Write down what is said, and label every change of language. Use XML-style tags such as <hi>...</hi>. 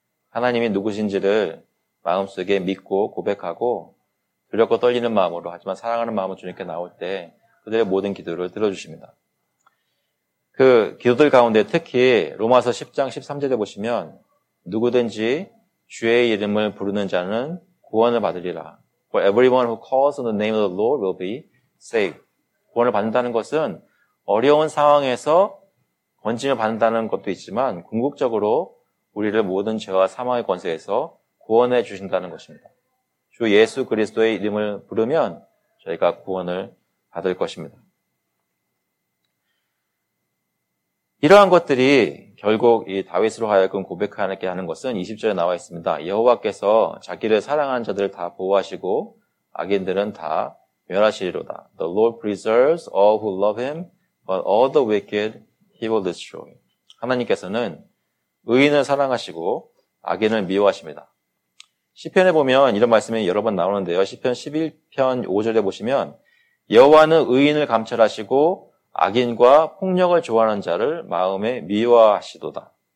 <ko>하나님이 누구신지를 마음속에 믿고 고백하고 두렵고 떨리는 마음으로 하지만 사랑하는 마음으로 주님께 나올 때 그들의 모든 기도를 들어주십니다. 그 기도들 가운데 특히 로마서 10장 13절에 보시면 누구든지 주의 이름을 부르는 자는 구원을 받으리라.</ko> <en>For everyone who calls on the name of the Lord will be saved.</en> <ko>구원을 받는다는 것은 어려운 상황에서 건짐을 받는다는 것도 있지만 궁극적으로 우리를 모든 죄와 사망의 권세에서 구원해 주신다는 것입니다. 주 예수 그리스도의 이름을 부르면 저희가 구원을 받을 것입니다. 이러한 것들이 결국 이 다윗으로 하여금 고백하게 하는 것은 20절에 나와 있습니다. 여호와께서 자기를 사랑하는 자들을 다 보호하시고 악인들은 다 멸하시리로다.</ko> <en>The Lord preserves all who love him, but all the wicked he will destroy.</en> <ko>하나님께서는 의인을 사랑하시고 악인을 미워하십니다. 시편에 보면 이런 말씀이 여러 번 나오는데요. 시편 11편 5절에 보시면 여호와는 의인을 감찰하시고 악인과 폭력을 좋아하는 자를 마음에 미워하시도다.</ko>